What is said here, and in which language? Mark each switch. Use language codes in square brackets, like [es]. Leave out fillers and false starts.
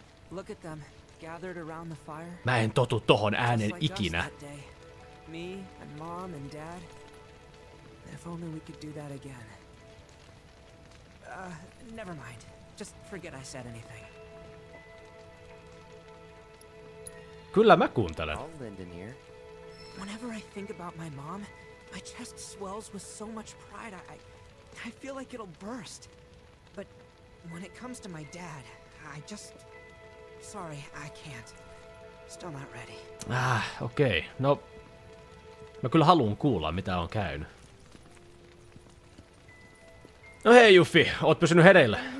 [en] Look at them gathered around the fire. [fi] Mä en totu tohon äänen ikinä. [en] Me and mom and dad. If only we could do that again. Never mind. Just forget I said anything. [fi] Kyllä mä kuuntelen. [en] I'll lend in here. Whenever I think about my mom, my chest swells with so much pride. I feel like it'll burst. But when it comes to my dad, I just sorry, I can't. Still not ready. [fi] Ah, okei. Okay. No, mä kyllä haluan kuulla, mitä on käynyt. No hei, Juffi, oot pysynyt hereillä.